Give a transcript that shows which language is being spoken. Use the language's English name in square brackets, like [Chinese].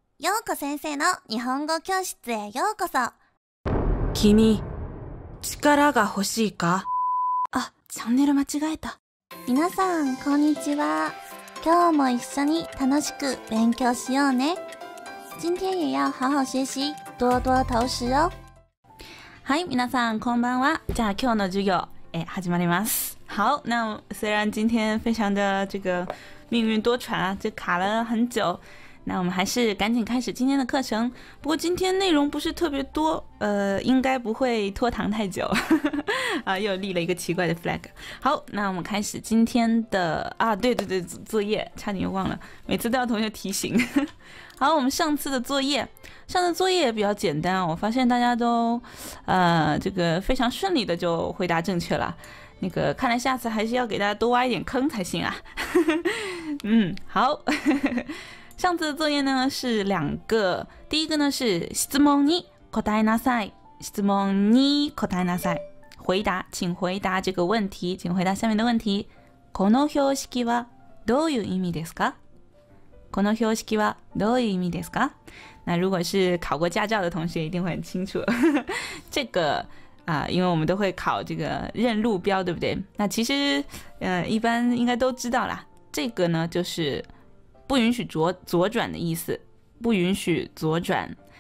[Japanese] ようこ先生の日本語教室へようこそ。君、力が欲しいか？あ、チャンネル間違えた。皆さん、こんにちは。今日も一緒に楽しく勉強しようね。 [Chinese] 今天也要好好学习，多多投資哦。 [Japanese] はい、皆さん、こんばんは。じゃあ、今日の授業、始まります。 [Chinese] 好，那虽然今天非常的这个命运多舛，就卡了很久，那我们还是赶紧开始今天的课程。不过今天内容不是特别多，应该不会拖堂太久。啊，又立了一个奇怪的 flag。好，那我们开始今天的啊，对对对，作业差点又忘了，每次都要同学提醒。好，我们上次的作业，上次作业也比较简单，我发现大家都，这个非常顺利的就回答正确了。那个，看来下次还是要给大家多挖一点坑才行啊。嗯，好。上次的作业呢是两个，第一个呢是 [Japanese] 質問に答えなさい，質問に答えなさい， [Chinese] 回答，请回答这个问题，请回答下面的问题。 [Japanese] この標識はどういう意味ですか？この標識はどういう意味ですか？ [Chinese] 那如果是考过驾照的同学一定会很清楚。这个啊，因为我们都会考这个认路标，对不对？那其实一般应该都知道啦，这个呢就是不允许左转的意思，不允许左转。